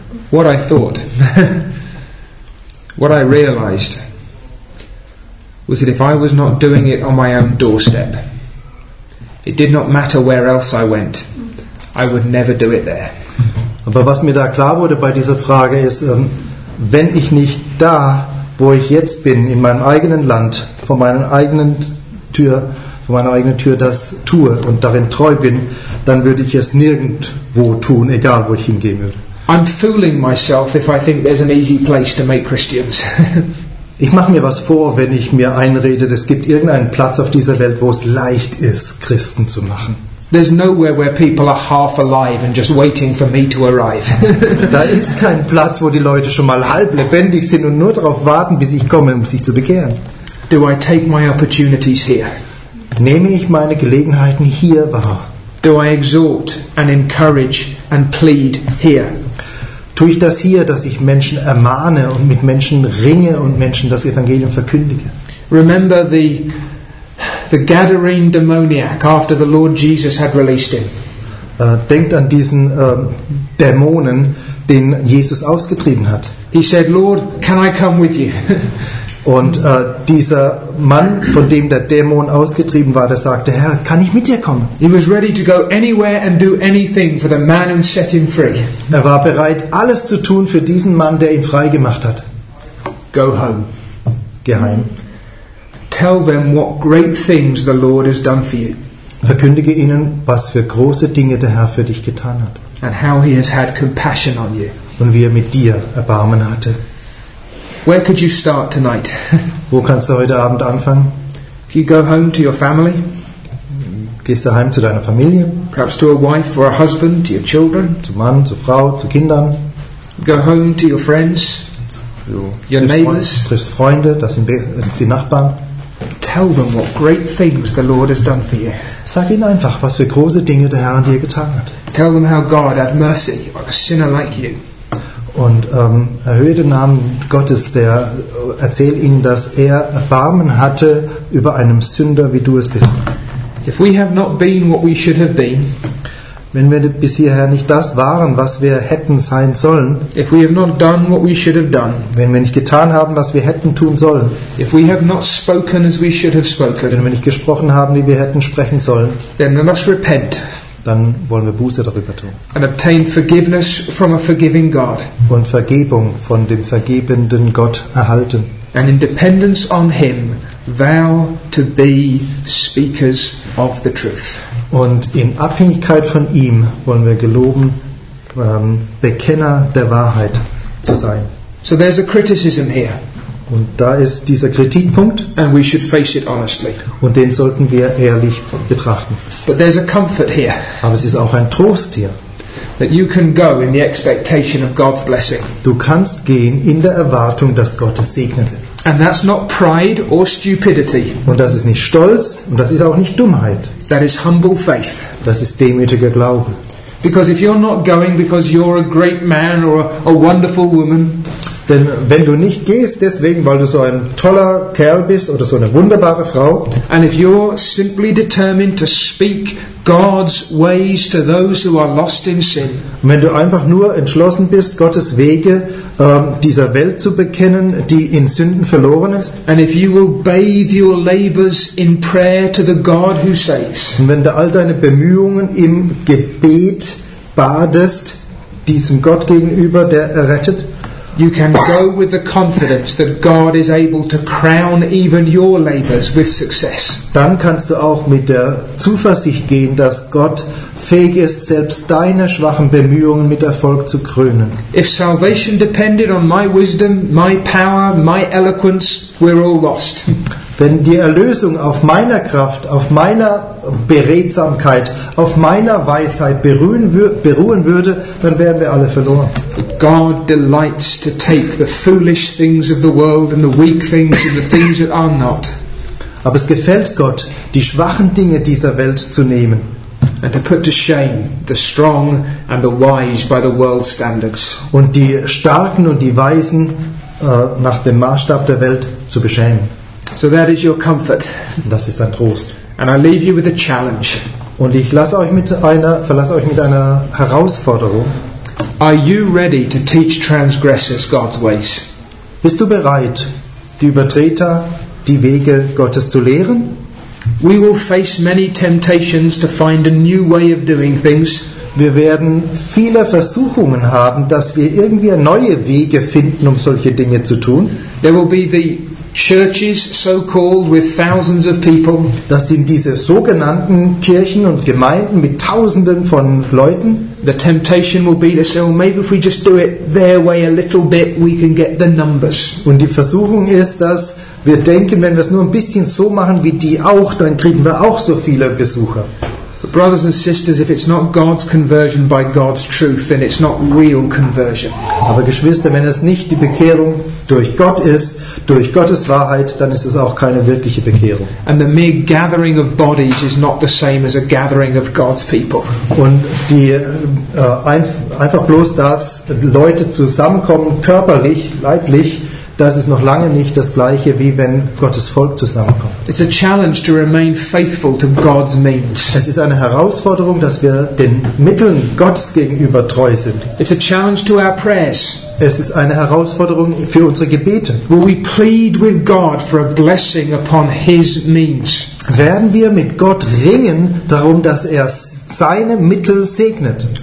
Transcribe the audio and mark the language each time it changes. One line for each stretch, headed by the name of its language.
English: What I thought, what I realized, was that if I was not doing it on my own doorstep, it did not matter where else I went, I would never do it there.
German: Aber was mir da klar wurde bei dieser Frage ist, wenn ich nicht da, wo ich jetzt bin, in meinem eigenen Land, vor meiner eigenen Tür das tue und darin treu bin, dann würde ich es nirgendwo tun, egal wo ich hingehen würde.
English: I'm fooling myself if I think there's an easy place to make Christians.
German: Ich mache mir was vor, wenn ich mir einrede, es gibt irgendeinen Platz auf dieser Welt, wo es leicht ist, Christen zu machen.
English: There's nowhere where people are half alive and just waiting for me to arrive.
German: Da ist kein Platz, wo die Leute schon mal halb lebendig sind und nur darauf warten, bis ich komme, um sich zu bekehren.
English: Do I take my opportunities here?
German: Nehme ich meine Gelegenheiten hier wahr?
English: Do I exhort and encourage and plead here?
German: tue ich das hier, dass ich Menschen ermahne und mit Menschen ringe und Menschen das Evangelium verkündige.
English: Remember the Gadarene demoniac after the Lord Jesus had released him.
German: Denkt an diesen Dämonen, den Jesus ausgetrieben hat.
English: He said, Lord, can I come with you?
German: Und dieser Mann, von dem der Dämon ausgetrieben war, der sagte, Herr, kann ich mit dir kommen?
English: He was ready to go anywhere and do anything for the man who set him free.
German: Er war bereit, alles zu tun für diesen Mann, der ihn frei gemacht hat.
English: Go home.
German: Geheim.
English: Tell them what great things the Lord has done for you.
German: Verkündige ihnen, was für große Dinge der Herr für dich getan hat.
English: And how he has had compassion on you.
German: Und wie er mit dir Erbarmen hatte.
English: Where could you start tonight?
German: Wo kannst du heute Abend anfangen?
English: If you go home to your family.
German: Gehst du heim zu deiner Familie?
English: Perhaps to a wife or a husband, to your children.
German: Zu Mann, zu Frau, zu Kindern.
English: Go home to your friends. Your neighbors.
German: Triffst Freunde, das sind die Nachbarn.
English: Tell them what great things the Lord has done for you.
German: Sag ihnen einfach, was für große Dinge der Herr an dir getan hat.
English: Tell them how God had mercy on a sinner like you.
German: Und erhöhe den Namen Gottes, der erzähl ihnen, dass er Erbarmen hatte über einem Sünder, wie du es bist.
English: If we have not been what we should have been,
German: wenn wir bis hierher nicht das waren, was wir hätten sein sollen,
English: if we have not done what we should have done,
German: wenn wir nicht getan haben, was wir hätten tun sollen,
English: if we have not spoken as we should have spoken,
German: wenn wir nicht gesprochen haben, wie wir hätten sprechen sollen,
English: then we must repent.
German: Dann wollen wir Buße darüber tun.
English: And obtain forgiveness from a forgiving God.
German: Und Vergebung von dem vergebenden Gott erhalten.
English: And in dependence on him, vow to be speakers of the truth.
German: Und in Abhängigkeit von ihm wollen wir geloben, Bekenner der Wahrheit zu sein.
English: So there's a criticism here.
German: Und da ist dieser Kritikpunkt.
English: And we should face it honestly.
German: Und den sollten wir ehrlich betrachten.
English: But there's a comfort here.
German: Aber es ist auch ein Trost hier.
English: That you can go in the expectation of God's blessing.
German: Du kannst gehen in der Erwartung, dass Gott es segnet.
English: And that's not pride or stupidity.
German: Und das ist nicht Stolz und das ist auch nicht Dummheit.
English: That is humble faith.
German: Das ist demütiger Glaube.
English: Because if you're not going because you're a great man or a wonderful woman,
German: denn wenn du nicht gehst deswegen, weil du so ein toller Kerl bist oder so eine wunderbare Frau,
English: and if you're simply determined to speak God's ways to those who are lost in sin,
German: wenn du einfach nur entschlossen bist, Gottes Wege dieser Welt zu bekennen, die in Sünden verloren ist,
English: and if you will bathe your labors in prayer to the God who saves,
German: und wenn du all deine Bemühungen im Gebet badest diesem Gott gegenüber, der errettet,
English: you can go with the confidence that God is able to crown even your labors with success.
German: Dann kannst du auch mit der Zuversicht gehen, dass Gott fähig ist, selbst deine schwachen Bemühungen mit Erfolg zu krönen.
English: If salvation depended on my wisdom, my power, my eloquence, we're all lost.
German: Wenn die Erlösung auf meiner Kraft, auf meiner Beredsamkeit, auf meiner Weisheit beruhen würde, dann wären wir alle verloren.
English: God delights to take the foolish things of the world and the weak things and the things that are not.
German: Aber es gefällt Gott, die schwachen Dinge dieser Welt zu nehmen.
English: And to put to shame the strong and the wise by the world standards.
German: Und die Starken und die Weisen nach dem Maßstab der Welt zu beschämen.
English: So that is your comfort.
German: Das ist dein Trost.
English: And I leave you with a challenge.
German: Und ich verlasse euch mit einer Herausforderung.
English: Are you ready to teach transgressors God's ways?
German: Bist du bereit, die Übertreter die Wege Gottes zu lehren?
English: We will face many temptations to find a new way of doing things.
German: Wir werden viele Versuchungen haben, dass wir irgendwie neue Wege finden, um solche Dinge zu tun.
English: There will be the churches, so-called, with thousands of people.
German: Das sind diese sogenannten Kirchen und Gemeinden mit Tausenden von Leuten.
English: The temptation will be to say, well, maybe if we just do it their way a little bit, we can get the numbers.
German: Und die Versuchung ist, dass wir denken, wenn wir es nur ein bisschen so machen wie die auch, dann kriegen wir auch so viele Besucher.
English: But brothers and sisters, if it's not God's conversion by God's truth, then it's not real conversion.
German: Aber Geschwister, wenn es nicht die Bekehrung durch Gott ist, durch Gottes Wahrheit, dann ist es auch keine wirkliche Bekehrung.
English: And the mere gathering of bodies is not the same as a gathering of God's people.
German: Und die einfach bloß, dass Leute zusammenkommen, körperlich, leiblich, das ist noch lange nicht das Gleiche, wie wenn Gottes Volk zusammenkommt.
English: It's a challenge to remain faithful to God's means.
German: Es ist eine Herausforderung, dass wir den Mitteln Gottes gegenüber treu sind.
English: It's a challenge to our prayers.
German: Es ist eine Herausforderung für unsere Gebete.
English: Will we plead with God for a blessing upon His means?
German: Werden wir mit Gott ringen darum, dass er seine Mittel segnet?